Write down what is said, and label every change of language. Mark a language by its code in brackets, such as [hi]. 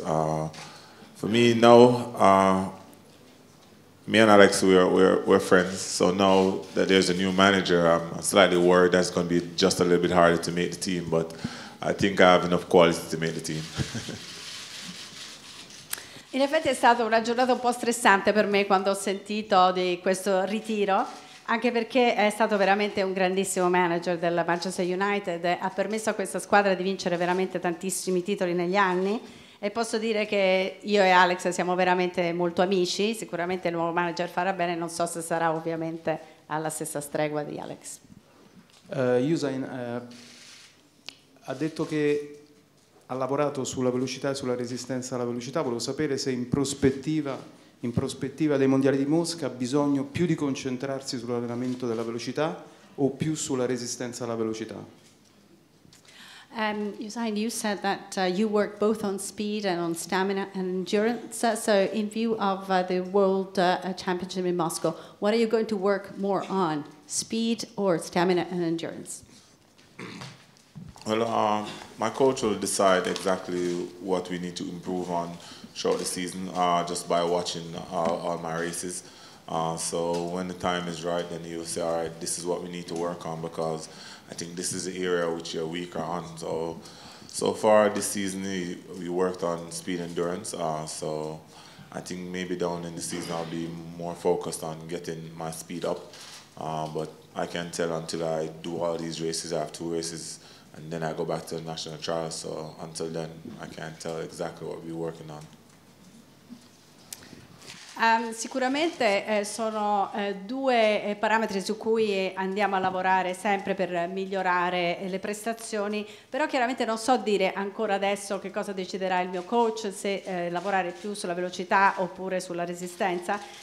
[en] For me now, me and Alex, we're friends. So now that there's a new manager, I'm slightly worried that's going to be just a little bit harder to make the team. But I think I have enough quality to make the team. [it] In effetti è stata una giornata un po' stressante per me quando ho sentito di questo ritiro, anche perché è stato veramente un grandissimo manager del Manchester United, ha permesso a questa squadra di vincere veramente tantissimi titoli negli anni e posso dire che io e Alex siamo veramente molto amici, sicuramente il nuovo manager farà bene, non so se sarà ovviamente alla stessa stregua di Alex. Usain ha detto che ha lavorato sulla velocità e sulla resistenza alla velocità. Volevo sapere se in prospettiva dei mondiali di Mosca ha bisogno più di concentrarsi sull'allenamento della velocità o più sulla resistenza alla velocità. [en] Usain, you said that you work both on speed and on stamina and endurance. So in view of the World Championship in Moscow, what are you going to work more on, speed or stamina and endurance? Well, my coach will decide exactly what we need to improve on throughout the season just by watching all my races. So when the time is right, then you'll say, all right, this is what we need to work on, because I think this is the area which you're weaker on. So far this season, we worked on speed endurance. So I think maybe down in the season, I'll be more focused on getting my speed up. But I can't tell until I do all these races. I have two races, and then I go back to the national trials. So until then, I can't tell exactly what we're working on. [it] Sicuramente sono due parametri su cui andiamo a lavorare sempre per migliorare le prestazioni, però chiaramente non so dire ancora adesso che cosa deciderà il mio coach, se lavorare più sulla velocità oppure sulla resistenza.